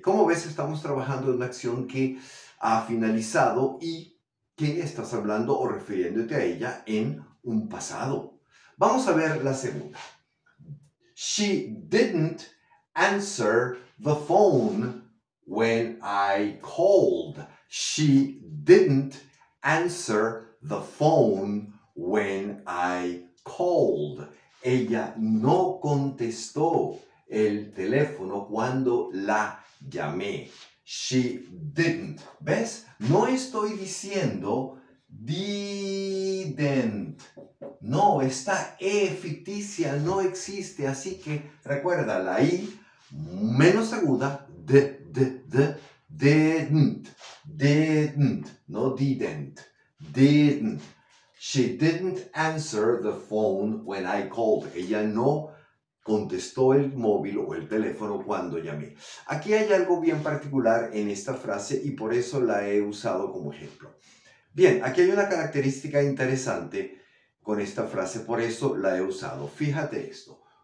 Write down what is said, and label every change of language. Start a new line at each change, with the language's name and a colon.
Spanish: Como ves, estamos trabajando en una acción que ha finalizado y que estás hablando o refiriéndote a ella en un pasado. Vamos a ver la segunda.
English: She didn't answer the phone when I called. She didn't answer the phone when I called.
Spanish: Ella no contestó el teléfono cuando la llamé.
English: She didn't.
Spanish: ¿Ves? No estoy diciendo didn't. No, esta E ficticia no existe. Así que recuerda la I menos aguda.
English: Didn't. Didn't. No didn't. Didn't. She didn't answer the phone when I called.
Spanish: Ella no contestó el móvil o el teléfono cuando llamé. Aquí hay algo bien particular en esta frase y por eso la he usado como ejemplo. Bien, aquí hay una característica interesante con esta frase, por eso la he usado. Fíjate esto.